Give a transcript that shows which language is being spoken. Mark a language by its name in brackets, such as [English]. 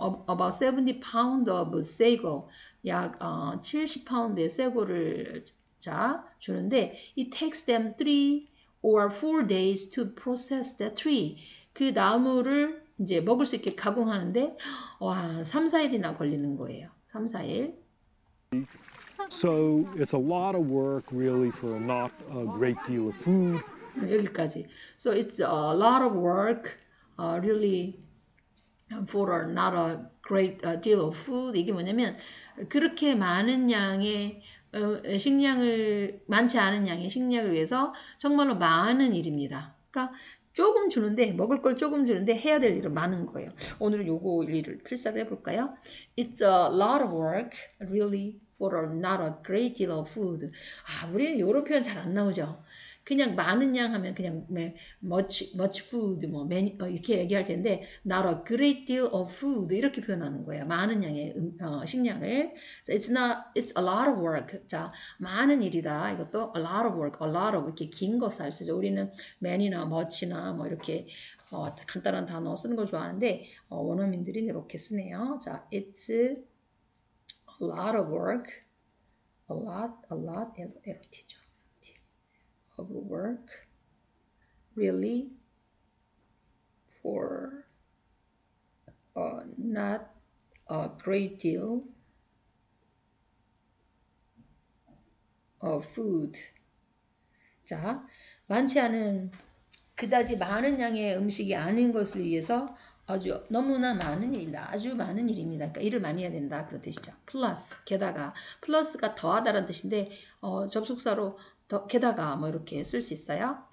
[English] about 70 pound of sago. [Korean] 약70파운드의 sago를 자, 주는데 [English] it takes them 3 or 4 days to process the tree. [Korean] 그 나무를 이제 먹을 수 있게 가공하는데 와, 3, 4일이나 걸리는 거예요. 3, 4일. [English] So it's a lot of work really for not a great deal of food. [Korean] 여기까지. [English] So it's a lot of work really for not a great deal of food. [Korean] 이게 뭐냐면 그렇게 많은 양의 식량을 많지 않은 양의 식량을 위해서 정말로 많은 일입니다. 그러니까 조금 주는데 먹을 걸 조금 주는데 해야 될 일은 많은 거예요. 오늘은 요거 일을 필사를 해볼까요? [English] It's a lot of work, really, for not a great deal of food. [Korean] 아, 우리는 요런 표현 잘 안 나오죠. 그냥 많은 양 하면 그냥 [English] much food [Korean] 뭐 이렇게 얘기할 텐데 [English] not a great deal of food [Korean] 이렇게 표현하는 거예요. 많은 양의 식량을. [English] So it's not, it's a lot of work. [Korean] 자, 많은 일이다. 이것도 [English] a lot of work, a lot of [Korean] 이렇게 긴 거 잘 쓰죠. 우리는 many나 much나 뭐 이렇게 간단한 단어 쓰는 걸 좋아하는데 원어민들이 이렇게 쓰네요. [English] 자, it's a lot of work, a lot, LOT죠. Of work, really, for not a great deal of food. [Korean] 자, 많지 않은 그다지 많은 양의 음식이 아닌 것을 위해서 아주 너무나 많은 일이다. 아주 많은 일입니다. 그러니까 일을 많이 해야 된다. 그런 뜻이죠. 플러스, 게다가 플러스가 더하다라는 뜻인데 접속사로 게다가 뭐 이렇게 쓸 수 있어요.